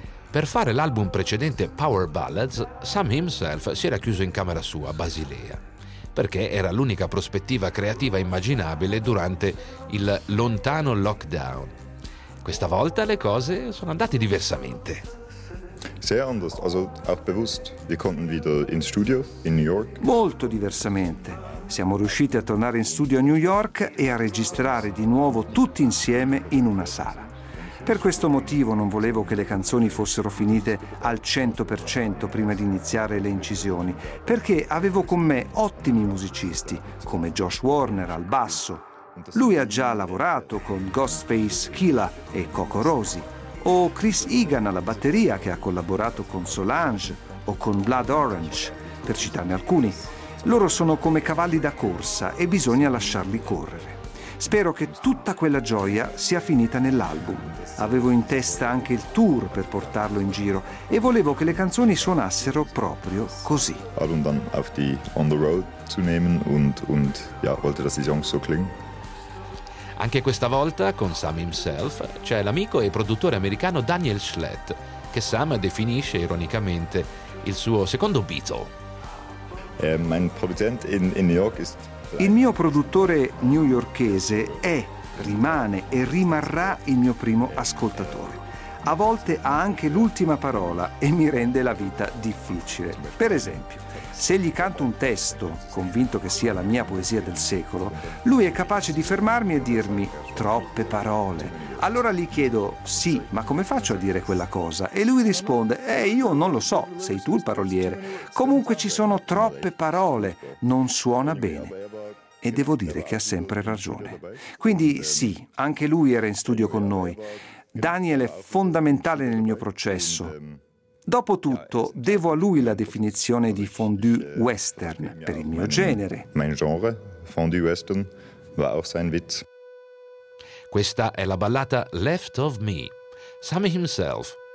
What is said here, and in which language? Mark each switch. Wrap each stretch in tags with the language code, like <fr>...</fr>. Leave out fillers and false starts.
<it>Per fare l'album precedente Power Ballads, Sam himself si era chiuso in camera sua a Basilea, perché era l'unica prospettiva creativa immaginabile durante il lontano lockdown. Questa volta le cose sono andate diversamente.</it> <de>Sehr anders, also auch bewusst. Wir konnten wieder in studio in New York.</de> <it>Molto diversamente. Siamo riusciti a tornare in studio a New York e a registrare di nuovo tutti insieme in una sala. Per questo motivo non volevo che le canzoni fossero finite al 100% prima di iniziare le incisioni, perché avevo con me ottimi musicisti, come Josh Warner al basso. Lui ha già lavorato con Ghostface Killah e Coco Rosie, o Chris Egan alla batteria, che ha collaborato con Solange o con Blood Orange, per citarne alcuni. Loro sono come cavalli da corsa e bisogna lasciarli correre. Spero che tutta quella gioia sia finita nell'album. Avevo in testa anche il tour per portarlo in giro e volevo che le canzoni suonassero proprio così.</it> <de>Album dann auf die</de> <en>on the road</en> <de>zu nehmen und ja, wollte dass die Songs so klingen.</de> <it>Anche questa volta con Sam himself c'è l'amico e produttore americano Daniel Schlett, che Sam definisce ironicamente il suo secondo Beatle.</it> <de>Mein Produzent in New York ist.</de> <it>Il mio produttore newyorkese è, rimane e rimarrà il mio primo ascoltatore. a volte ha anche l'ultima parola e mi rende la vita difficile. Per esempio, se gli canto un testo, convinto che sia la mia poesia del secolo, lui è capace di fermarmi e dirmi «troppe parole». Allora gli chiedo «sì, ma come faccio a dire quella cosa?» E lui risponde «io non lo so, sei tu il paroliere. Comunque ci sono troppe parole, non suona bene». E devo dire che ha sempre ragione. Quindi sì, anche lui era in studio con noi. Daniel è fondamentale nel mio processo. Dopotutto, devo a lui la definizione di fondue western per il mio genere.</it> <de>Mein genre, fondue western, war auch sein Witz.</de> <it>Questa è la ballata Left of Me, Sammy himself.</it>